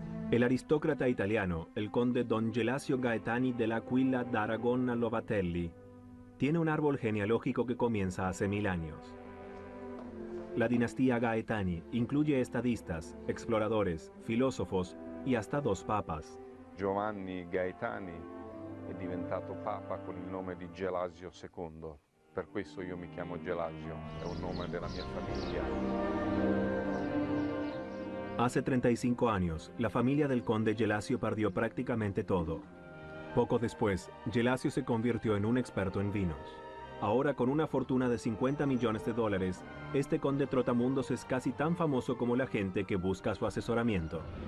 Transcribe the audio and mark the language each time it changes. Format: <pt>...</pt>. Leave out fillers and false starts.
<es>El aristócrata italiano, el conde Don Gelasio Gaetani dell'Aquila d'Aragona Lovatelli, tiene un árbol genealógico que comienza hace 1000 años. La dinastía Gaetani incluye estadistas, exploradores, filósofos y hasta 2 papas.</es> <it>Giovanni Gaetani è diventato papa con il nome di Gelasio II. Per questo io mi chiamo Gelasio, è un nome della mia famiglia.</it> <es>Hace 35 años, la familia del conde Gelasio perdió prácticamente todo. Poco después, Gelasio se convirtió en un experto en vinos. Ahora, con una fortuna de 50 millones de dólares, este conde trotamundos es casi tan famoso como la gente que busca su asesoramiento.</es>